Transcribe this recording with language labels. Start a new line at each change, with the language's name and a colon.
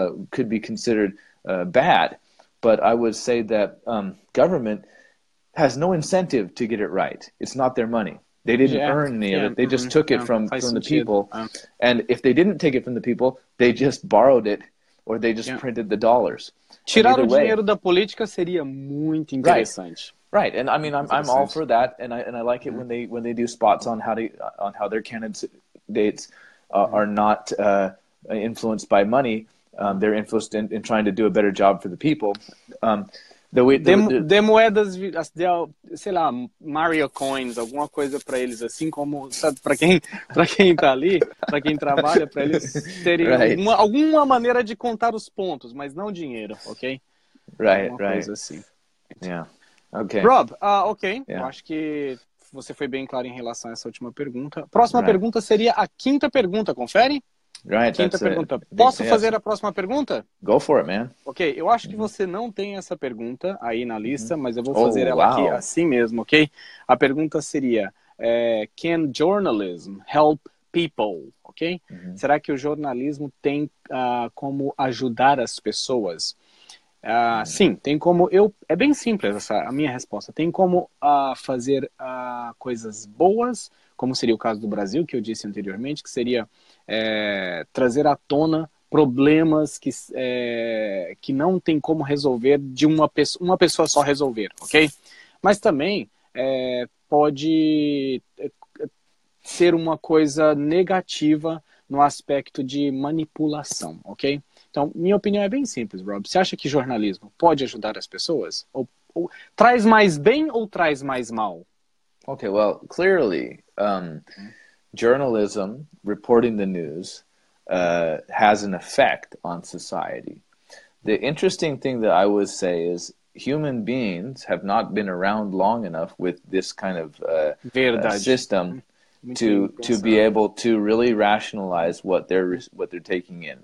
English: could be considered bad. But I would say that government has no incentive to get it right. It's not their money. They didn't earn any of it. They just took it from the people. And if they didn't take it from the people, they just borrowed it or they just printed the dollars.
Portuguese: Tirar o dinheiro da política seria muito interessante.
English: Right. And I mean, I'm all for that. And I like it when they do spots on how their candidates are not influenced by money. They're influenced in trying to do a better job for the people.
Portuguese: De moedas, sei lá, Mario Coins, alguma coisa para eles, assim como, sabe, para quem está ali, para quem trabalha, para eles terem alguma maneira de contar os pontos, mas não dinheiro, ok? Alguma coisa assim.
English: Yeah, okay.
Portuguese: Rob, eu acho que você foi bem claro em relação a essa última pergunta. Próxima pergunta seria a quinta pergunta, confere?
English: Right,
Portuguese: quinta pergunta. Posso fazer a próxima pergunta?
English: Go for it, man.
Portuguese: Ok, eu acho que você não tem essa pergunta aí na lista, mas eu vou fazer ela aqui assim mesmo, ok? A pergunta seria,
English: can journalism help people,
Portuguese: ok? Uhum. Será que o jornalismo tem como ajudar as pessoas? Sim, tem como. É bem simples essa a minha resposta. Tem como fazer coisas boas, como seria o caso do Brasil, que eu disse anteriormente, que seria... trazer à tona problemas que não tem como resolver de uma pessoa só resolver, ok? Mas também pode ser uma coisa negativa no aspecto de manipulação, ok? Então, minha opinião é bem simples, Rob. Você acha que jornalismo pode ajudar as pessoas? Ou traz mais bem ou traz mais mal?
English: Ok, well, clearly... journalism, reporting the news, has an effect on society. The interesting thing that I would say is human beings have not been around long enough with this kind of system to be able to really rationalize what they're taking in.